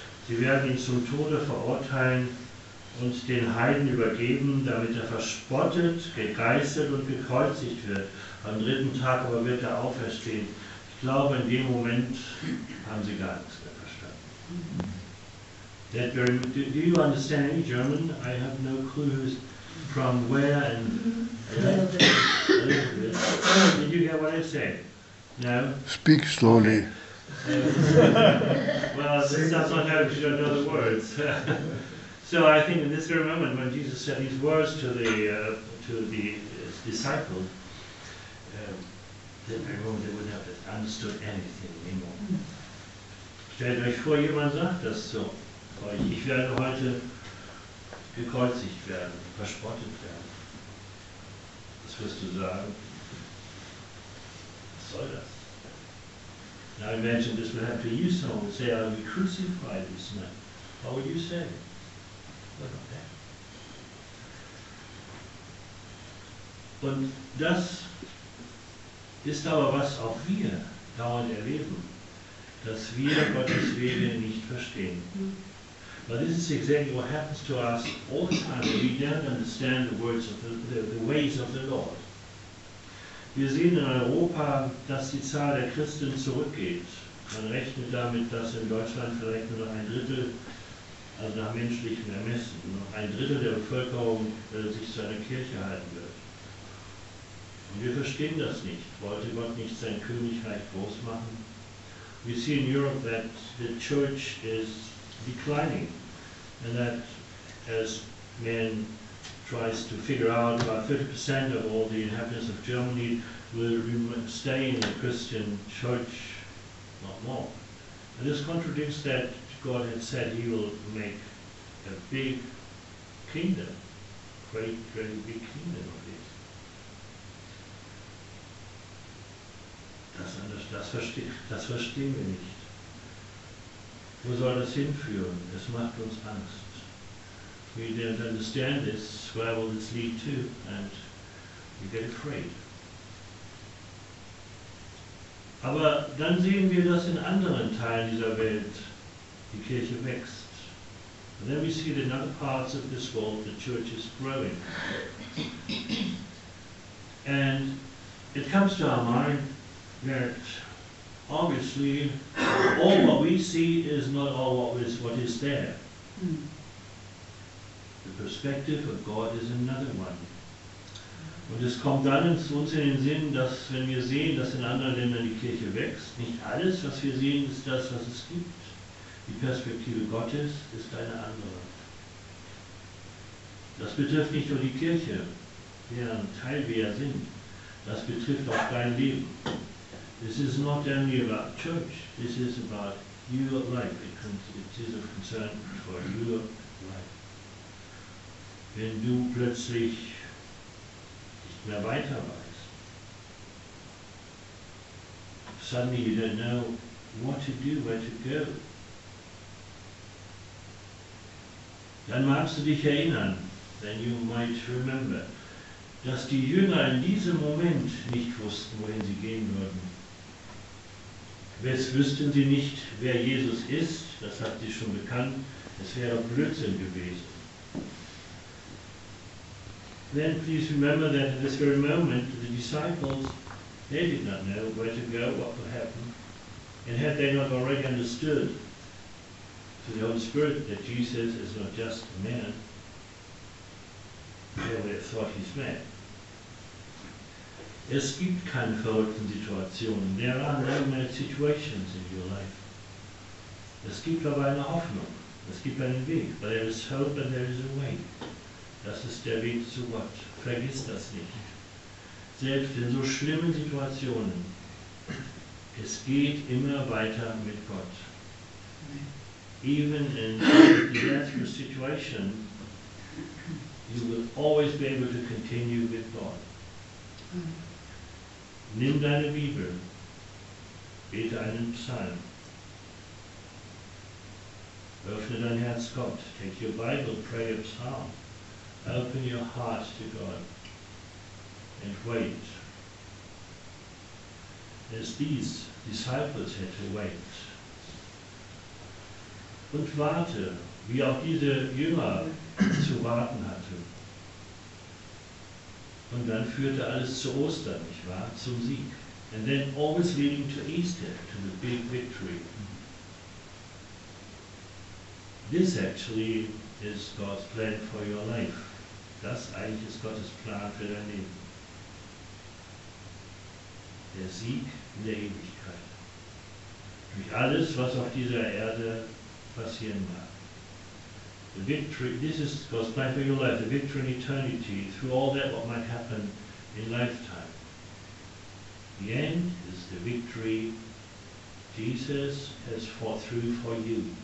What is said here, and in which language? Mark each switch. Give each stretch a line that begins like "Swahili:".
German: Sie werden ihn zum Tode verurteilen und den Heiden übergeben, damit er verspottet, gegeißelt und gekreuzigt wird. Am dritten Tag aber wird er auferstehen. Ich glaube, in dem Moment haben sie gar nichts mehr verstanden.
English: That very, do you understand any German? I have no clue who's from where and did you hear what I said? No? Speak slowly. Well, this does not help you know the words. So I think in this very moment when Jesus said these words to the disciples, that very moment they wouldn't have understood anything anymore.
German: Stellt euch vor, jemand sagt das so. Ich werde heute gekreuzigt werden, verspottet werden. Was wirst du sagen? Was soll das?
English: Now imagine this would happen to you, someone would say, I'll be crucified this man. What would you say? What about that?
German: Und das ist aber, was auch wir dauernd erleben, dass wir Gottes Wege nicht verstehen.
English: But this is exactly what happens to us all the time. We don't understand the words of the ways of the Lord.
German: Wir sehen in Europa, dass die Zahl der Christen zurückgeht. Man rechnet damit, dass in Deutschland vielleicht nur noch ein Drittel, also nach menschlichem Ermessen, nur noch ein Drittel der Bevölkerung sich zu einer Kirche halten wird. Und wir verstehen das nicht. Wollte Gott nicht sein Königreich groß machen?
English: We see in Europe that the church is declining, and that as man tries to figure out, about 50% of all the inhabitants of Germany will stay in the Christian church, not more. And this contradicts that God had said he will make a big kingdom, great, great big kingdom of his.
German: Das verstehen wir nicht. Wo soll das hinführen? Es macht uns Angst.
English: We don't understand this. Where will this lead to? And we get afraid.
German: Aber dann sehen wir, dass in anderen Teilen dieser Welt die Kirche wächst.
English: And then we see that in other parts of this world the church is growing. And it comes to our mind that obviously, all what we see is not all what is there. The perspective of God is another one.
German: Und es kommt dann uns in den Sinn, dass wenn wir sehen, dass in anderen Ländern die Kirche wächst, nicht alles, was wir sehen, ist das, was es gibt. Die Perspektive Gottes ist eine andere. Das betrifft nicht nur die Kirche, deren Teil wir ja sind. Das betrifft auch dein Leben.
English: This is not only about church, this is about your life. It is of concern for your life.
German: Wenn du plötzlich nicht mehr weiter weißt,
English: suddenly you don't know what to do, where to go,
German: dann magst du dich erinnern,
English: then you might remember,
German: dass die Jünger in diesem Moment nicht wussten, wohin sie gehen würden. Wüssten sie nicht, wer Jesus ist, das hat sie schon bekannt, es wäre Blödsinn gewesen.
English: Then please remember that at this very moment the disciples, they did not know where to go, what would happen. And had they not already understood through the Holy Spirit that Jesus is not just a man, they would have thought he's mad.
German: Es gibt keine verrückten Situationen.
English: There are no mad situations in your life.
German: Es gibt aber eine Hoffnung. Es gibt einen Weg.
English: But there is hope and there is a way.
German: Das ist der Weg zu Gott. Vergiss das nicht. Selbst in so schlimmen Situationen, es geht immer weiter mit Gott.
English: Even in disastrous situation, you will always be able to continue with God.
German: Nimm deine Bibel, bete einen Psalm, öffne dein Herz Gott,
English: take your Bible, pray a psalm, open your heart to God and wait. As these disciples had to wait.
German: Und warte, wie auch diese Jünger zu warten hatten. Und dann führte alles zu Ostern, nicht wahr? Zum Sieg.
English: And then always leading to Easter, to the big victory. This actually is God's plan for your life.
German: Das eigentlich ist Gottes Plan für dein Leben. Der Sieg in der Ewigkeit. Durch alles, was auf dieser Erde passieren mag.
English: The victory, this is God's plan for your life, the victory in eternity, through all that what might happen in lifetime. The end is the victory Jesus has fought through for you.